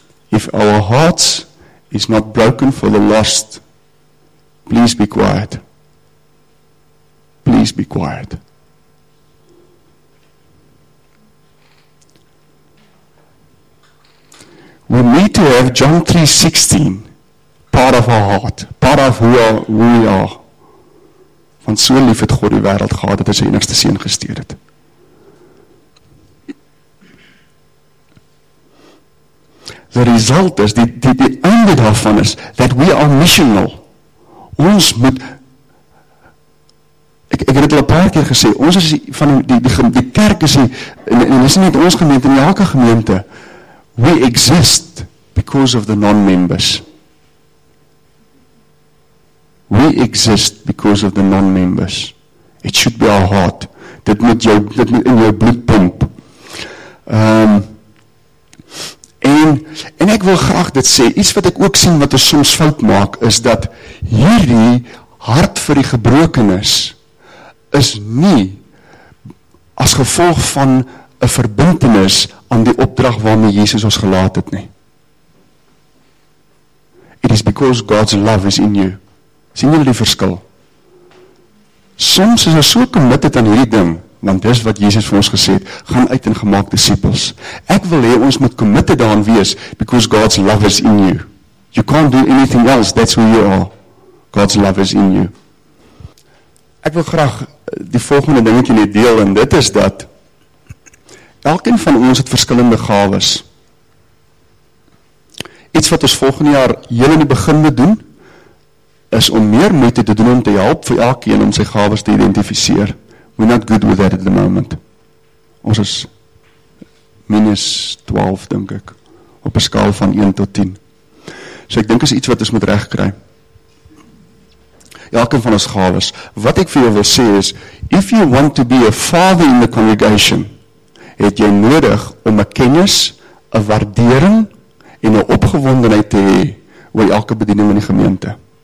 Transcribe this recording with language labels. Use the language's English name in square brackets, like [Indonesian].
[English] If our hearts is not broken for the lost, please be quiet. Please be quiet. We need to have John 3:16 part of our heart, part of who we are. [Afrikaans] Want so lief het God die wêreld gehad dat hy sy enigste seun gestuur het. [English] The result is, [Afrikaans] die einde daarvan is, [English] that we are missional. [Afrikaans] Ons moet, ek het al 'n paar keer gesê, ons is van die kerk is, en dis nie net ons gemeente, in elke gemeente, [English] we exist because of the non-members. We exist because of the non-members. It should be our heart. [Afrikaans] Dit moet in jou bloed pomp. En ek wil graag dit sê, iets wat ek ook sien wat ons soms fout maak, is dat hierdie hart vir die gebrokenis is nie as gevolg van 'n verbintenis aan die opdrag waarmee Jesus ons gelaat het nie. [English] It is because God's love is in you. [Afrikaans] Sien julle die verskil? Soms is ons so committed aan hierdie ding, want dis wat Jesus vir ons gesê het, gaan uit en gemaak disippels. Ek wil hê ons moet committed daaraan wees, [English] because God's love is in you. You can't do anything else, that's who you are. God's love is in you. [Afrikaans] Ek wil graag die volgende dingetjie net deel, en dit is dat, elkeen van ons het verskillende gawes. Iets wat ons volgende jaar heel in die begin moet doen, is om meer moeite te doen om te help vir elkeen om sy gawes te identificeer. [English] We're not good with that at the moment. [Afrikaans] Ons is minus 12, denk ek, op een skaal van 1 tot 10. So ek denk is iets wat ons moet recht kry. Elkeen van ons gawes. Wat ek vir jou wil sê is, [English] if you want to be a father in the congregation, [Afrikaans] het jy nodig om 'n kennis, 'n waardering en 'n opgewondenheid te hê oor elke bediening in die gemeente.